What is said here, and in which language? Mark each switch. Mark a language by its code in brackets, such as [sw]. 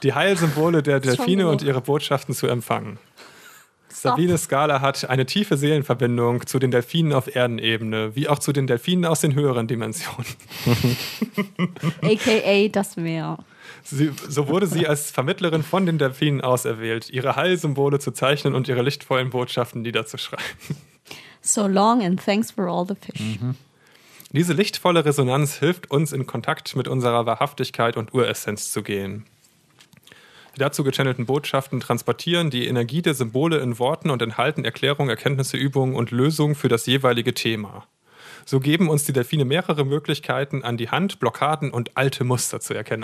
[de] Die Heilsymbole der Delfine und ihre Botschaften zu empfangen. Sabine Scala hat eine tiefe Seelenverbindung zu den Delfinen auf Erdenebene, wie auch zu den Delfinen aus den höheren Dimensionen. A.K.A. das Meer. So wurde sie als Vermittlerin von den Delfinen auserwählt, ihre Heilsymbole zu zeichnen und ihre lichtvollen Botschaften niederzuschreiben. [en] So long and thanks for all the fish. Mhm. [de] Diese lichtvolle Resonanz hilft uns, in Kontakt mit unserer Wahrhaftigkeit und Uressenz zu gehen. Die dazu gechannelten Botschaften transportieren die Energie der Symbole in Worten und enthalten Erklärungen, Erkenntnisse, Übungen und Lösungen für das jeweilige Thema. So geben uns die Delfine mehrere Möglichkeiten an die Hand, Blockaden und alte Muster zu erkennen.